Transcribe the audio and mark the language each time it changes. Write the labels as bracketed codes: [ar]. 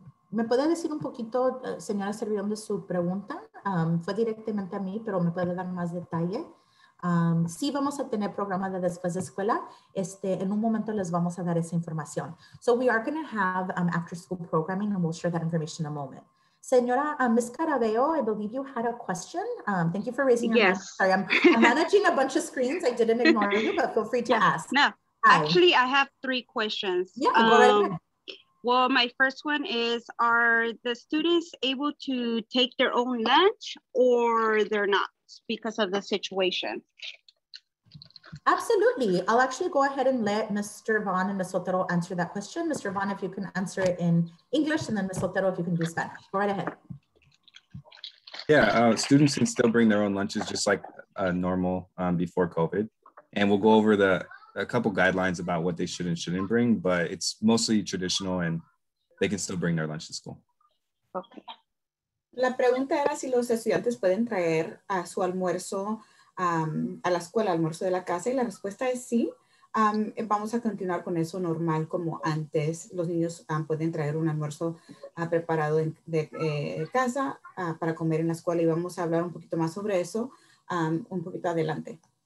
[es] ¿Me puede decir un poquito, señora Servidón, de su pregunta? Fue directamente a mí, pero ¿me puede dar más detalle? Sí vamos a tener programa de después de escuela. En un momento les vamos a dar esa información. [en] So we are going to have after school programming and we'll share that information in a moment. Señora, Ms. Carabeo, I believe you had a question. Thank you for raising your hand. Sorry, I'm managing a bunch of screens. I didn't ignore you, but feel free to ask. No, actually, I have three questions. Yeah, go ahead. Well, my first one is, are the students able to take their own lunch or they're not because of the situation? Absolutely. I'll actually go ahead and let Mr. Vaughn and Ms. Sotero answer that question. Mr. Vaughn, if you can answer it in English, and then Ms. Sotero, if you can do Spanish. Go right ahead. Yeah, students can still bring their own lunches just like normal before COVID. And we'll go over a couple guidelines about what they should and shouldn't bring, but it's mostly traditional and they can still bring their lunch to school. [es] Okay. La pregunta era si los estudiantes pueden traer a su almuerzo a la escuela, almuerzo de la casa, y la respuesta es sí. Vamos a continuar con eso normal como antes. Los niños pueden traer un almuerzo preparado de casa para comer en la escuela, y vamos a hablar un poquito más sobre eso un poquito adelante.